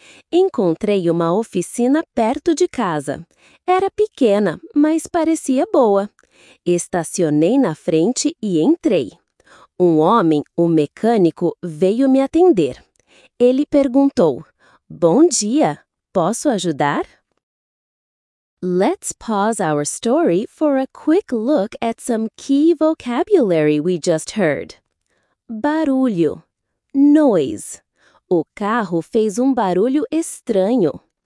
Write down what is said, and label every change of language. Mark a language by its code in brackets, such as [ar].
[pt] Encontrei oficina perto de casa. Era pequena, mas parecia boa. Estacionei na frente e entrei. Homem, mecânico, veio me atender. Ele perguntou, bom dia, posso ajudar? [en] Let's pause our story for a quick look at some key vocabulary we just heard. [pt] Barulho. Noise. O carro fez barulho estranho.